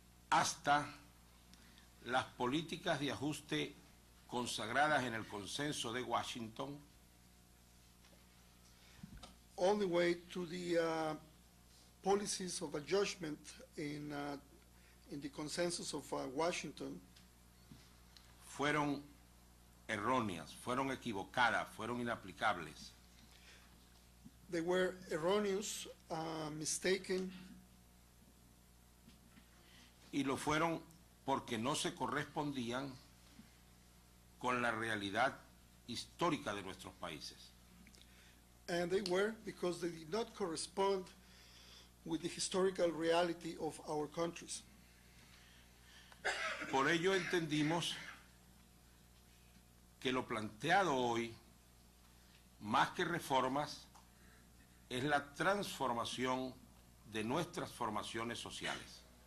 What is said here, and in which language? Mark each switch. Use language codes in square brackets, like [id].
[es] hasta las políticas de ajuste consagradas en el consenso de Washington [en] all the way to the policies of adjustment in the consensus of Washington [es] fueron erróneas, fueron equivocadas, fueron inaplicables. [en] They were erroneous, mistaken. [es] Y lo fueron porque no se correspondían con la realidad histórica de nuestros países. [en] And they were because they did not correspond with the historical reality of our countries. [es] Por ello entendimos que lo planteado hoy, más que reformas, es la transformación de nuestras formaciones sociales.